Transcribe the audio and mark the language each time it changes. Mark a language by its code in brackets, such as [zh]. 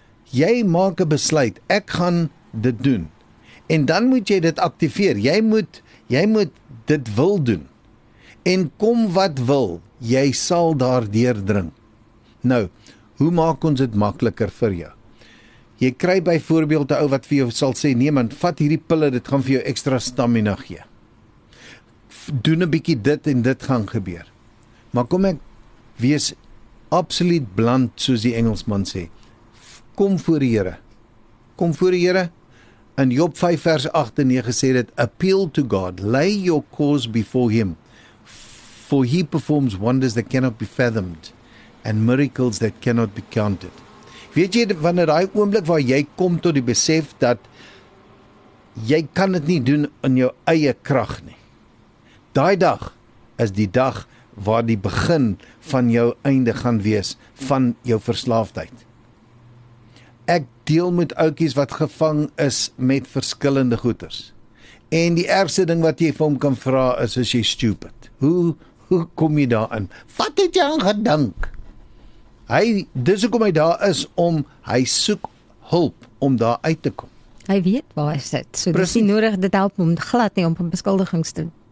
[af] Jy maak 'n besluit, ek gaan dit doen. En dan moet jy dit aktiveer, jy moet dit wil doen. En kom wat wil, jy sal daar deurdring. Nou, hoe maak ons dit makliker vir jou? Jy kry byvoorbeeld 'n ou wat vir jou sal sê, nee man, vat hierdie pille, dit gaan vir jou ekstra stamina gee. Doen een bykie dit en dit gaan gebeur. Maar kom ek, wees absoluut bland, soos die Engelsman sê. Kom voor die Here. Kom voor die Here. In Job 5 vers 8 en 9 sê dit, [en] appeal to God, lay your cause before him, for he performs wonders that cannot be fathomed, and miracles that cannot be counted. [af] Weet jy, wanneer die oomblik waar jy kom tot die besef, dat jy kan het nie doen in jou eie krag nie. Daai dag is die dag waar die begin van jou einde gaan wees van jou verslaafdheid. Ek deel met oukies wat gevang is met verskillende goeders. En die ergste ding wat jy vir hom kan vra is jy stupid. Hoe kom jy daar in? Wat het jy aan gedink? Dis hoekom hy daar is om, hy soek hulp om daar uit te kom. Hy weet waar hy sit, so dis nie nodig dit help om glad nie om beskuldigings te doen.